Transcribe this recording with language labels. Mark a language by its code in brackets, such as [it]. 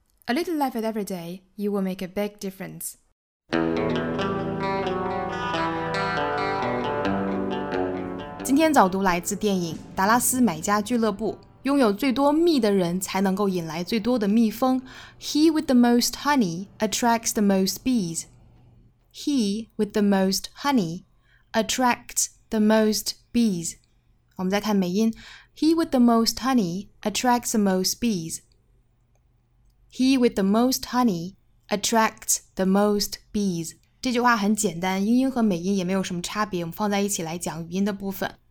[en] A little life at every day, you will make a big difference. [zh] Today's 早读来自电影《达拉斯买家俱乐部》。拥有最多蜜的人才能够引来最多的蜜蜂。 [en] He with the most honey attracts the most bees. He with the most honey attracts the most bees. [zh] 我们再看美音。 [en] He with the most honey attracts the most bees. He with the most honey attracts the most bees. [zh] 这句话很简单，英音和美音也没有什么差别，我们放在一起来讲语音的部分。